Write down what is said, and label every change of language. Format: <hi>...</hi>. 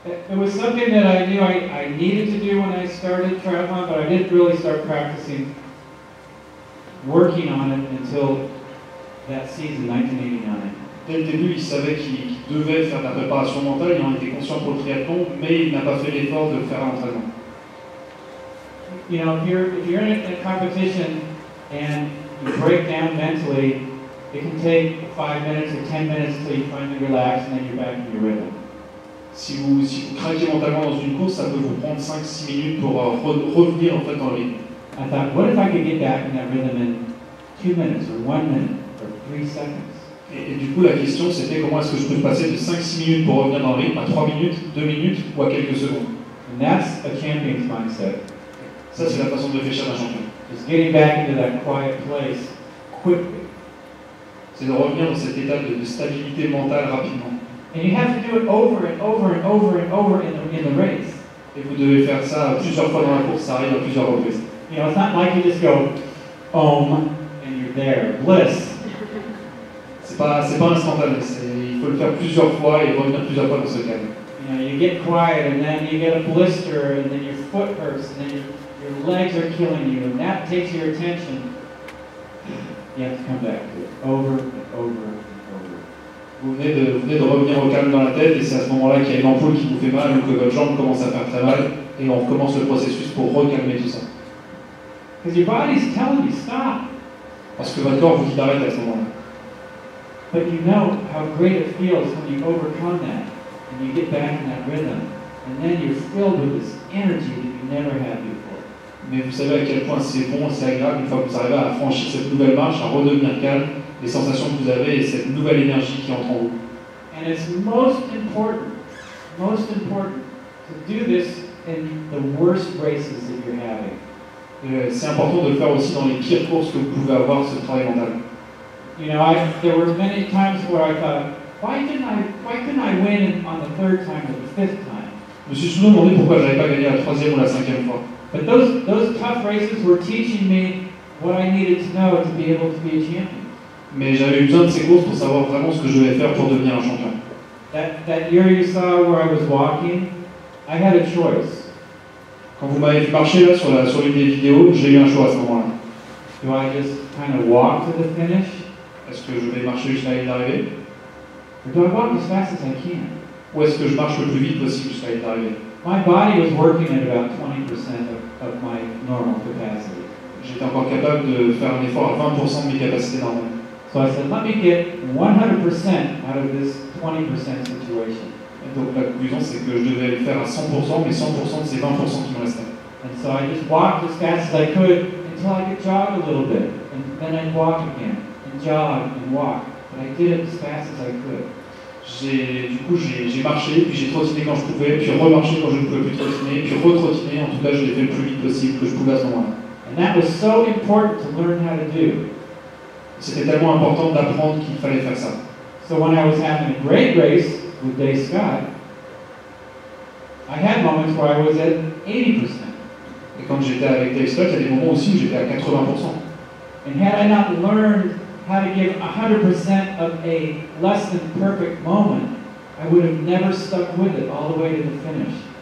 <en>It was something that I knew I needed to do when I started triathlon, but I didn't really start practicing, working on it until that season, 1989.</en> <fr>Dès le début, il savait qu'il devait faire la préparation mentale, il en était conscient pour le triathlon, mais il n'a pas fait l'effort de faire l'entraînement.</fr> <en>You know, if you're in a competition and you break down mentally, it can take 5 minutes or 10 minutes until you finally relax and then you're back in your rhythm.</en> <fr>Si vous craquez mentalement dans une course, ça peut vous prendre 5-6 minutes pour revenir en fait en rythme.</fr> <en>I thought, what if I could get back in that rhythm in 2 minutes or 1 minute or 3 seconds?</en> <fr>Et du coup, la question c'était comment est-ce que je peux passer de 5-6 minutes pour revenir dans le rythme à 3 minutes, 2 minutes ou à quelques secondes.</fr> <en>And that's a champion's mindset.</en> <fr>Ça, c'est la façon de réfléchir à un champion.</fr> <en>Just getting back into that quiet place quickly.</en> <fr>C'est de revenir dans cet état de stabilité mentale rapidement.</fr> <en>And you have to do it over and over and over and over in the race.</en> <fr>Et vous devez faire ça plusieurs fois dans la course, ça arrive à plusieurs reprises.</fr> <en>You know, it's not like you just go, home, and you're there, bliss.</en> <fr>C'est pas instantané, il faut le faire plusieurs fois et revenir plusieurs fois dans ce cas.</fr> <en>You know, you get quiet and then you get a blister and then your foot hurts and then your legs are killing you and that takes your attention. You have to come back to it over and over.</en> <fr>Vous venez de revenir au calme dans la tête et c'est à ce moment-là qu'il y a une ampoule qui vous fait mal ou que votre jambe commence à faire très mal et on recommence le processus pour recalmer tout ça.</fr> <en>Because your body's telling you stop.</en> <fr>Parce que votre corps vous dit d'arrêter à ce moment-là.</fr> <en>But you know how great it feels when you overcome that and you get back in that rhythm and then you're filled with this energy that you never had before.</en> <fr>Mais vous savez à quel point c'est bon, c'est agréable une fois que vous arrivez à franchir cette nouvelle marche, à redevenir calme. Les sensations que vous avez et cette nouvelle énergie qui entre en vous.</fr> <en>And it's most important to do this in the worst races that you're having.</en> <fr>C'est important de le faire aussi dans les pires courses que vous pouvez avoir ce travail mental.</fr> <en>You know, there were many times where I thought, why couldn't I win on the third time or the fifth time?</en> <fr>Je me suis souvent demandé pourquoi je n'avais pas gagné la troisième ou la cinquième fois.</fr> <en>But those tough races were teaching me what I needed to know to be able to be a champion.</en> <fr>Mais j'avais eu besoin de ces courses pour savoir vraiment ce que je devais faire pour devenir un champion.</fr> <en>That year you saw where I was walking, I had a choice.</en> <fr>Quand vous m'avez vu marcher là sur l'une des vidéos, j'ai eu un choix à ce moment-là.</fr> <en>Do I just kind of walk to the finish?</en> <fr>Est-ce que je vais marcher jusqu'à la ligne d'arrivée?</fr> <en>Or do I walk as fast as I can?</en> <fr>Ou est-ce que je marche le plus vite possible jusqu'à la ligne d'arrivée?</fr> <en>My body was working at about 20% of my normal capacity.</en> <fr>J'étais encore capable de faire un effort à 20% de mes capacités normales.</fr> <en>So I said, let me get 100% out of this 20% situation.</en> <fr>Et donc la conclusion, c'est que je devais le faire à 100%, mais 100% de ces 20% qui me restaient.</fr> <en>And so I just walked as fast as I could until I could jog a little bit. And then I'd walk again, and jog, and walk. But I did it as fast as I could.</en> <fr>Du coup, j'ai marché, puis j'ai trottiné quand je pouvais, puis remarché quand je ne pouvais plus trottiner, puis retrottiner. En tout cas, je l'ai fait le plus vite possible que je pouvais à ce moment-là.</fr> <en>And that was so important to learn how to do.</en> <fr>C'était tellement important d'apprendre qu'il fallait faire ça.</fr> <en>So when I was having a great race with Dave Scott, I had moments where I was at 80%.</en> <fr>Et quand j'étais avec Dave Scott, il y a des moments aussi où j'étais à 80%.</fr> <en>And had I not learned how to give 100% of a less than perfect moment, I would have never stuck with it all the way to the finish.</en>